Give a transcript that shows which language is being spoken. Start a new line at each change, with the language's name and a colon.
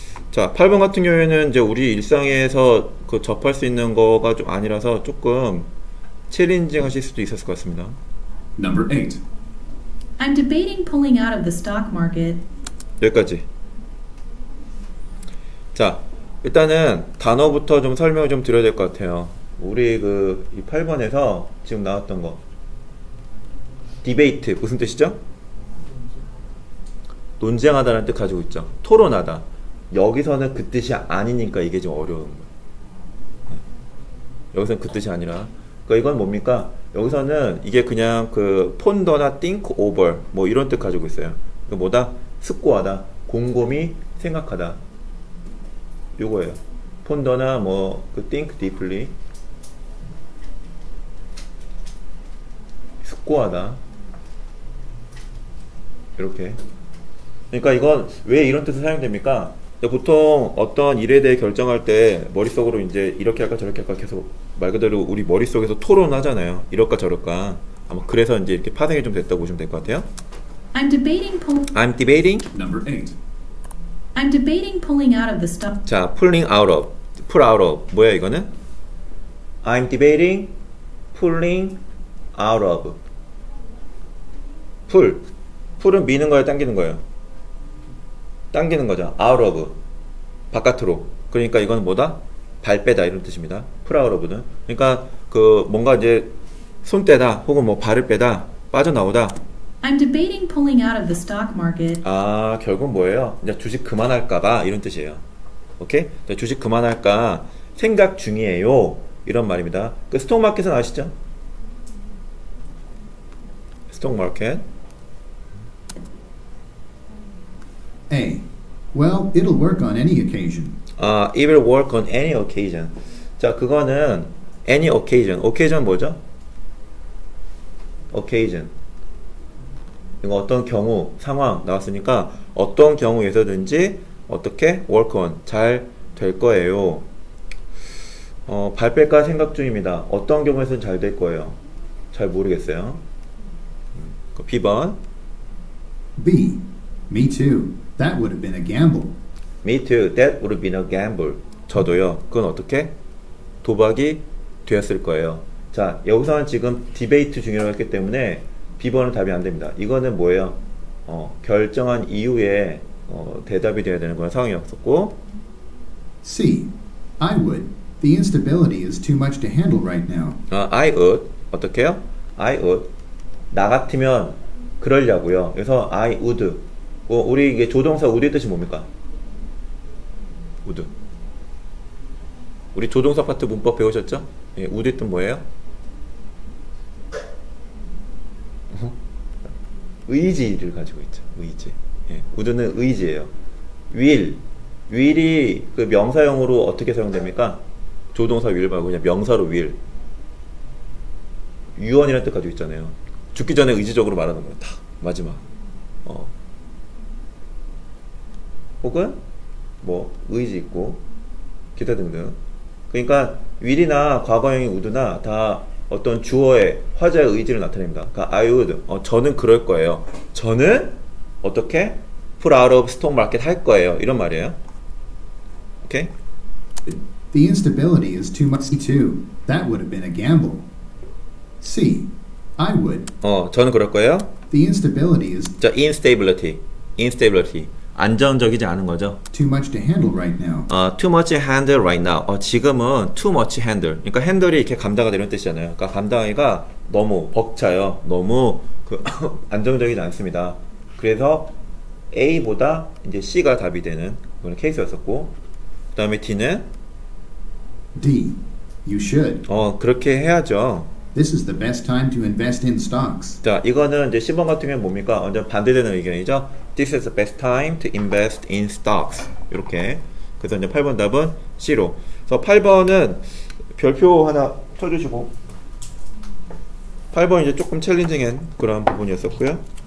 Korean: 자, 8번 같은 경우에는 이제 우리 일상에서 그 접할 수 있는 거가 좀 아니라서 조금 챌린징 하실 수도 있었을 것 같습니다.
English: Number 8. I'm debating pulling out of the stock market.
Korean: 여기까지. 자, 일단은 단어부터 좀 설명을 좀 드려야 될것 같아요. 우리 그이 8번에서 지금 나왔던 거. 디베이트, 무슨 뜻이죠? 논쟁하다는 뜻 가지고 있죠. 토론하다. 여기서는 그 뜻이 아니니까 이게 좀 어려운 거예요. 여기서는 그 뜻이 아니라. 그러니까 이건 뭡니까? 여기서는 이게 그냥 그 폰더나 띵크 오버 뭐 이런 뜻 가지고 있어요. 이거 뭐다? 숙고하다. 곰곰이 생각하다. 요거예요. 폰더나 뭐그 띵크 디플리. 숙고하다. 이렇게. 그러니까 이건 왜 이런 뜻을 사용됩니까? 보통 어떤 일에 대해 결정할 때 머릿속으로 이제 이렇게 할까 저렇게 할까 계속 말 그대로 우리 머릿속에서 토론하잖아요. 이럴까 저럴까. 아마 그래서 이제 이렇게 파생이 좀 됐다고 보시면 될것 같아요.
English: I'm debating pulling. I'm debating. Number 8. I'm debating pulling out of the stock.
Korean: 자, pulling out of. pull out of. 뭐야, 이거는?
English: I'm debating pulling out of. pull.
Korean: pull은 미는 거예요, 당기는 거예요? 당기는 거죠. out of. 바깥으로. 그러니까 이건 뭐다? 발빼다. 이런 뜻입니다. pull out of는. 그러니까 그 뭔가 이제 손 떼다. 혹은 뭐 발을 빼다. 빠져나오다.
English: I'm debating pulling out of the stock market.
Korean: 아, 결국 뭐예요? 이제 주식 그만할까봐. 이런 뜻이에요. 오케이? 이제 주식 그만할까 생각 중이에요. 이런 말입니다. 그 스톡 마켓은 아시죠? 스톡 마켓.
English: A. Well, it'll work on any occasion. It will work on any occasion.
Korean: 자, 그거는 any occasion. occasion 뭐죠?
English: occasion.
Korean: 이거 어떤 경우, 상황 나왔으니까 어떤 경우에서든지 어떻게 work on 잘될 거예요. 발뺄까 생각 중입니다. 어떤 경우에서는 잘될 거예요. 잘 모르겠어요. B번.
English: B. Me too. That would have been a gamble. Me too. That would have been a gamble.
Korean: 저도요. 그건 어떻게? 도박이 되었을 거예요. 자, 여기서는 지금 디베이트 중이라고 했기 때문에 B번은 답이 안 됩니다. 이거는 뭐예요? 결정한 이후에 대답이 돼야 되는 거야. 상황이 없었고.
English: See, I would. The instability is too much to handle right now. I would.
Korean: 어떻게요? I would. 나 같으면 그러려고요. 그래서 I would. 우리 이게 조동사 would의 뜻이 뭡니까?
English: would.
Korean: 우리 조동사 파트 문법 배우셨죠? 예, would의 뜻 뭐예요? 의지를 가지고 있죠. 의지. 예, would는 의지예요.
English: will.
Korean: will이 그 명사형으로 어떻게 사용됩니까? 조동사 will 말고 그냥 명사로 will. 유언이라는 뜻 가지고 있잖아요. 죽기 전에 의지적으로 말하는 거예요. 다. 마지막. 혹은 뭐 의지 있고 기타 등등. 그러니까 will이나 과거형인 would나 다 어떤 주어의 화자의 의지를 나타냅니다. 그러니까 I would. 저는 그럴 거예요. 저는 어떻게
English: pull out of stock market
Korean: 할 거예요. 이런 말이에요. 오케이?
English: The instability is too much. Too. That would have been a gamble. See, I would.
Korean: 저는 그럴 거예요.
English: The instability is
Korean: 자, instability. instability. 안정적이지 않은 거죠.
English: too much to handle right now. too much handle right now.
Korean: 지금은
English: too much handle.
Korean: 그러니까 핸들이 이렇게 감당하다 이런 뜻이잖아요. 그러니까 감당하기가 너무 벅차요. 너무 그 안정적이지 않습니다. 그래서 A보다 이제 C가 답이 되는 그런 케이스였었고, 그다음에 D는
English: D, you should.
Korean: 그렇게 해야죠.
English: This is the best time to invest in stocks.
Korean: 자, 이거는 이제 10번 같은 경우는 뭡니까? 완전 반대되는 의견이죠.
English: This is the best time to invest in stocks.
Korean: 이렇게. 그래서 이제 8번 답은 C로. 그래서 8번은 별표 하나 쳐주시고, 8번 이제 조금 챌린징한 그런 부분이었었고요.